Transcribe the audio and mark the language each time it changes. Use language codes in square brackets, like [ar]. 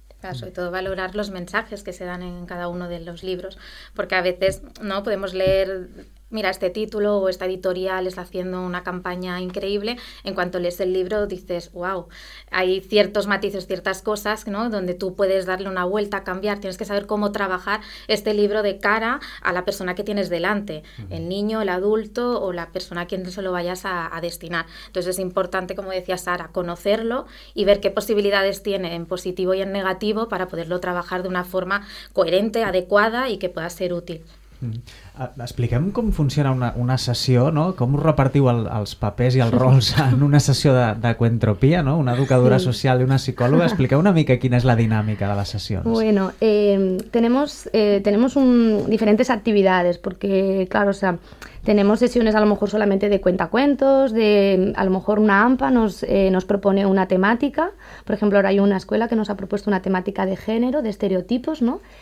[es] Claro, sobre todo valorar los mensajes que se dan en cada uno de los libros, porque a veces, ¿no?, podemos leer, mira, este título o esta editorial está haciendo una campaña increíble, en cuanto lees el libro dices, wow, hay ciertos matices, ciertas cosas, ¿no?, donde tú puedes darle una vuelta, cambiar, tienes que saber cómo trabajar este libro de cara a la persona que tienes delante, el niño, el adulto o la persona a quien se lo vayas a destinar. Entonces es importante, como decía Sara, conocerlo y ver qué posibilidades tiene en positivo y en negativo para poderlo trabajar de una forma coherente, adecuada y que pueda ser útil. [ca] Expliquem com funciona una sessió, no? Com us repartiu els papers i els rols en una sessió de cuentropia, no? Una educadora social i una psicòloga. Expliqueu una mica quina és la dinàmica de les sessions. [es] Bueno, tenemos [ca] diferents activitats, perquè, clar, [es] o sea, tenemos sesiones a lo mejor solamente de cuentacuentos, de a lo mejor una AMPA nos propone una temática, por ejemplo, ahora hay una escuela que nos ha propuesto una temática de género, de estereotipos, ¿no?